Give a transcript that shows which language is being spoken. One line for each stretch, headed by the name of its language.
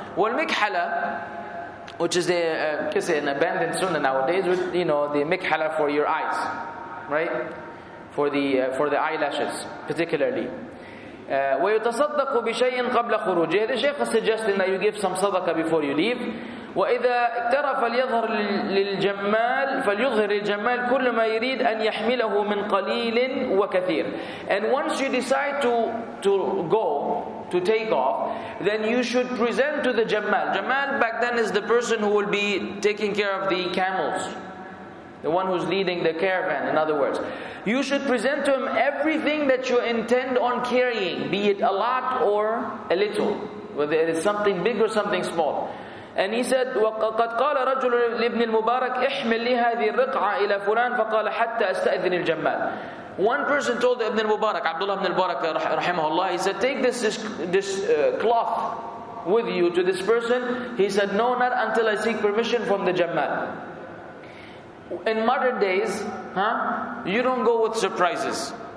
English: Well, mikhala, which is an abandoned sunnah nowadays, with, you know, the mikhala for your eyes, right? For the eyelashes, particularly.
Arabic: ويتصدق بشيء قبل خروجه.
English: The Shaykh is suggesting that you give some sadaqah before you leave.
Arabic: وإذا اكترى فليظهر للجمال فليظهر للجمال كل ما يريد أن يحمله من قليل وكثير.
English: And once you decide to go, to take off, then you should present to the Jamal. Jamal back then is the person who will be taking care of the camels, the one who's leading the caravan, in other words. You should present to him everything that you intend on carrying, be it a lot or a little, whether it is something big or something small. And he said,
Arabic: وَقَدْ قَالَ رَجُلُ لِبْنِ الْمُبَارَكِ احْمِلْ لِي هَذِي الرِّقْعَ إِلَى فُلَانِ فَقَالَ حَتَّى أَسْتَأْذِنِ الْجَمَّالِ.
English: One person told Ibn al-Mubarak, Abdullah ibn al-Mubarak, rahimahullah, he said, take this cloth with you to this person. He said, no, not until I seek permission from the Jamal. In modern days, huh, you don't go with surprises.